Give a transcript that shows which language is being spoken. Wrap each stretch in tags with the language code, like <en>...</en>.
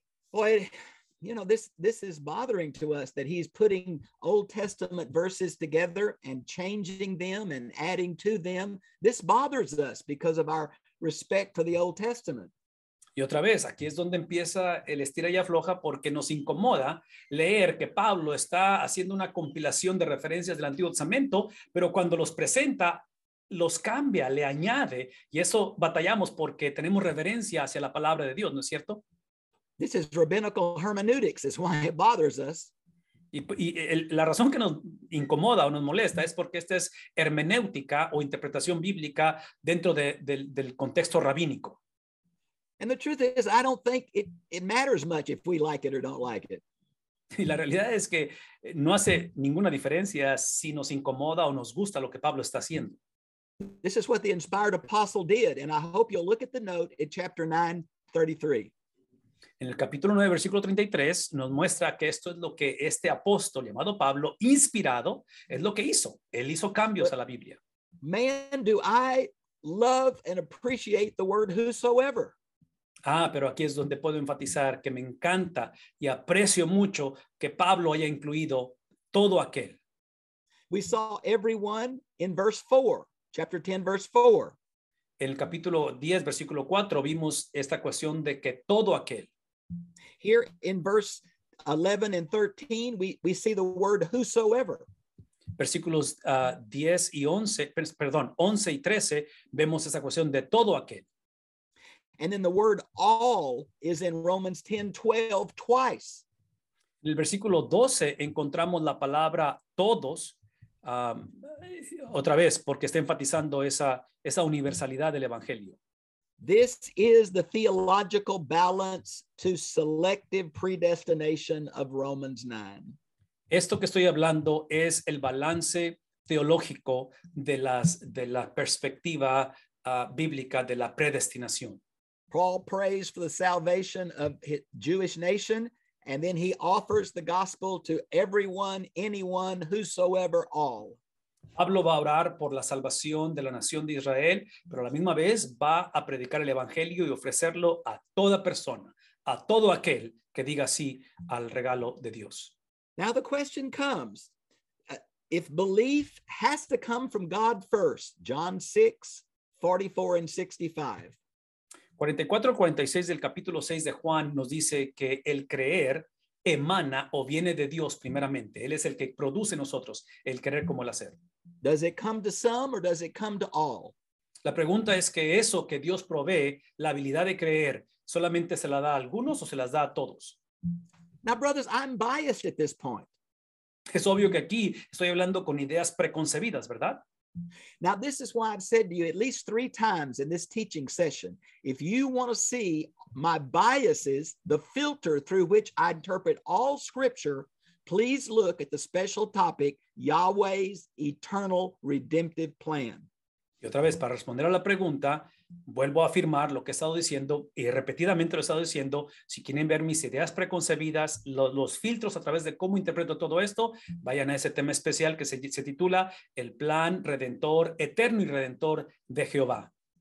<en>Boy, you know, this is bothering to us that he's putting Old Testament verses together and changing them and adding to them. This bothers us because of our respect for the Old Testament.</en> <es>Y otra vez, aquí es donde empieza el estira y afloja, porque nos incomoda leer que Pablo está haciendo una compilación de referencias del Antiguo Testamento, pero cuando los presenta, los cambia, le añade, y eso batallamos porque tenemos reverencia hacia la palabra de Dios, ¿no es cierto?</es> <en>This is rabbinical hermeneutics, is why it bothers us.</en> <es>La razón que nos incomoda o nos molesta es porque esta es hermenéutica o interpretación bíblica dentro del contexto rabínico.</es> <en>And the truth is, I don't think it matters much if we like it or don't like it.</en> <es>Y la realidad es que no hace ninguna diferencia si nos incomoda o nos gusta lo que Pablo está haciendo.</es> <en>This is what the inspired apostle did, and I hope you'll look at the note at chapter 9, 33.</en> <es>En el capítulo 9, versículo 33, nos muestra que esto es lo que este apóstol llamado Pablo, inspirado, es lo que hizo. Él hizo cambios a la Biblia.</es> <en>Man, do I love and appreciate the word whosoever.</en> <es>Ah, pero aquí es donde puedo enfatizar que me encanta y aprecio mucho que Pablo haya incluido todo aquel.</es> <en>We saw everyone in verse 4, chapter 10, verse 4.</en> <es>En el capítulo 10, versículo 4, vimos esta cuestión de que todo aquel.</es> <en>Here in verse 11 and 13, we see the word whosoever.</en> <es>Versículos 10 y 11, perdón, 11 y 13, vemos esa cuestión de todo aquel.</es> <en>And then the word all is in Romans 10, 12, twice.</en> <es>En el versículo 12 encontramos la palabra todos, otra vez, porque está enfatizando esa universalidad del Evangelio.</es> <en>This is the theological balance to selective predestination of Romans 9.</en> <es>Esto que estoy hablando es el balance teológico de la perspectiva bíblica de la predestinación.</es> <en>Paul prays for the salvation of his Jewish nation, and then he offers the gospel to everyone, anyone, whosoever, all.</en> <es>Pablo va a orar por la salvación de la nación de Israel, pero a la misma vez va a predicar el evangelio y ofrecerlo a toda persona, a todo aquel que diga sí al regalo de Dios.</es> <en>Now the question comes, if belief has to come from God first, John 6, 44 and 65.</en> <es>44 y 46 del capítulo 6 de Juan nos dice que el creer emana o viene de Dios primeramente. Él es el que produce en nosotros el querer como el hacer.</es> <en>Does it come to some or does it come to all?</en> <es>La pregunta es que eso que Dios provee, la habilidad de creer, ¿solamente se la da a algunos o se las da a todos?</es> <en>Now, brothers, I'm biased at this point.</en> <es>Es obvio que aquí estoy hablando con ideas preconcebidas, ¿verdad?</es> <en>Now, this is why I've said to you at least three times in this teaching session, if you want to see my biases, the filter through which I interpret all scripture, please look at the special topic, Yahweh's eternal redemptive plan.</en> <es>Y otra vez, para responder a la pregunta, vuelvo a afirmar lo que he estado diciendo y repetidamente lo he estado diciendo. Si quieren ver mis ideas preconcebidas, los filtros a través de cómo interpreto todo esto, vayan a ese tema especial que se titula El Plan Redentor, Eterno y Redentor de Jehová.</es>